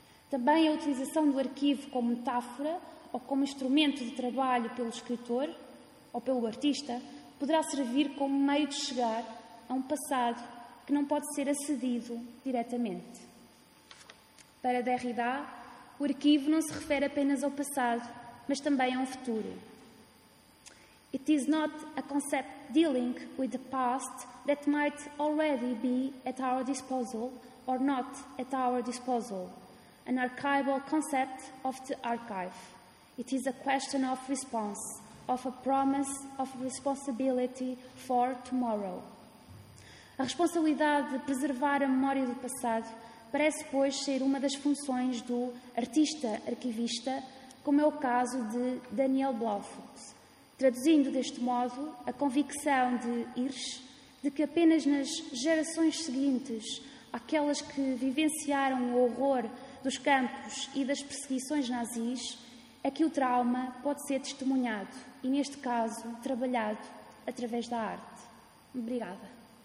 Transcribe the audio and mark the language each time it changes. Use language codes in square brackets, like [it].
[pt] Também a utilização do arquivo como metáfora ou como instrumento de trabalho pelo escritor ou pelo artista poderá servir como meio de chegar a um passado que não pode ser acedido diretamente. Para Derrida, o arquivo não se refere apenas ao passado, mas também ao futuro. [en] It is not a concept dealing with the past that might already be at our disposal or not at our disposal. An archival concept of the archive. It is a question of response, of a promise of responsibility for tomorrow. [pt] A responsabilidade de preservar a memória do passado parece, pois, ser uma das funções do artista-arquivista, como é o caso de Daniel Blaufuchs, traduzindo deste modo a convicção de Hirsch de que apenas nas gerações seguintes, aquelas que vivenciaram o horror dos campos e das perseguições nazis, é que o trauma pode ser testemunhado e, neste caso, trabalhado através da arte. Obrigada.